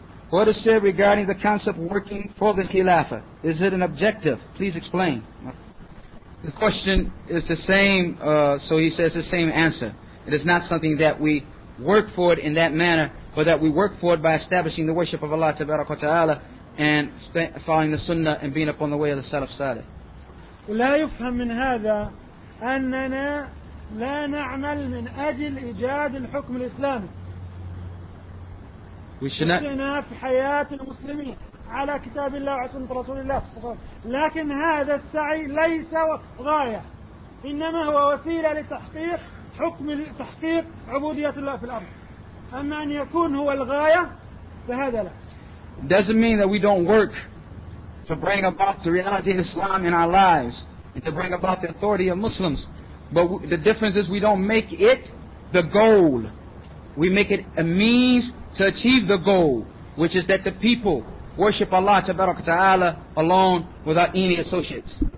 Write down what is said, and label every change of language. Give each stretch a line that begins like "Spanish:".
English: What is said regarding the concept of working for the Khilafah? Is it an objective? Please explain. The question is the same, so he says the same answer. It is not something that we work for it in that manner, but that we work for it by establishing the worship of Allah Ta'ala and following the Sunnah and being upon the way of the Salaf Salih.
Arabic: ولا يفهم من هذا أننا لا نعمل من أجل إيجاد الحكم الإسلامي. وشنا في حياة المسلمين على كتاب الله وسنة رسول الله. لكن هذا السعي ليس غاية، إنما هو وسيلة لتحقيق حكم تحقيق عبودية الله في الأرض. أما أن يكون هو الغاية فهذا لا.
English: Doesn't mean that we don't work to bring about the reality of Islam in our lives and to bring about the authority of Muslims. But the difference is we don't make it the goal. We make it a means to achieve the goal, which is that the people worship Allah Ta'ala alone without any associates.